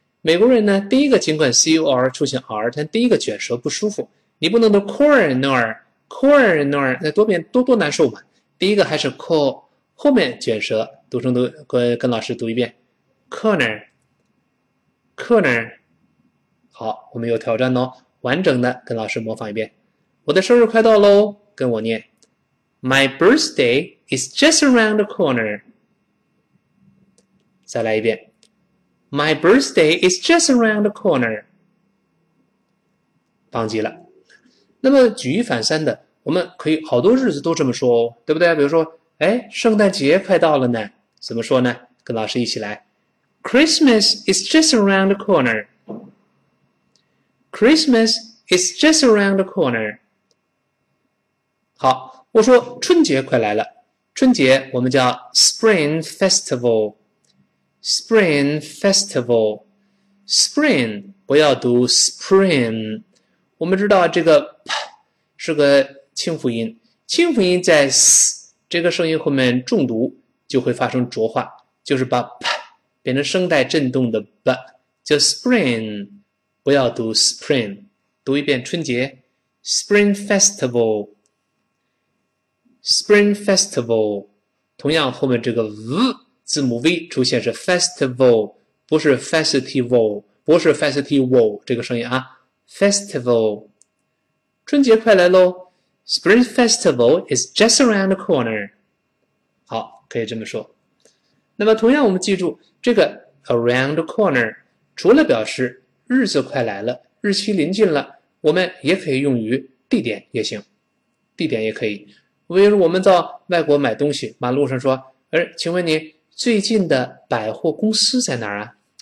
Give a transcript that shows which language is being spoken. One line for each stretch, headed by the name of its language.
Chinese: 美国人呢，第一个尽管 cor 出现 r，但第一个卷舌不舒服，你不能读 corner，corner，那多难受嘛。第一个还是 co，后面卷舌。读成读，跟老师读一遍 corner，corner，corner。好，我们有挑战哦，完整的跟老师模仿一遍。我的生日快到喽，跟我念，
English: My birthday is just around the corner。
Chinese: 再来一遍，
English: My birthday is just around the corner。
Chinese: 忘记了。那么举一反三的，我们可以好多日子都这么说哦，对不对？比如说，哎，圣诞节快到了呢，怎么说呢？跟老师一起来，
English: Christmas is just around the corner。 Christmas is just around the corner。
Chinese: 好，我说春节快来了，春节我们叫 Spring Festival。 Spring Festival，Spring 不要读 Spring。我们知道这个 p 是个清辅音，清辅音在 s 这个声音后面重读就会发生浊化，就是把 p 变成声带振动的 b，叫 Spring，不要读 Spring，读一遍春节 Spring Festival，Spring Festival，同样后面这个 v 字母 v 出现是 Festival，不是 Festival，不是 Festival 这个声音啊。
English: Festival，
Chinese: 春节快来喽！
English: Spring Festival is just around the corner。
Chinese: 好，可以这么说。那么，同样我们记住这个 around the corner，除了表示日子快来了、日期临近了，我们也可以用于地点也行。地点也可以，比如我们到外国买东西，马路上说：“哎，请问你最近的百货公司在哪儿啊？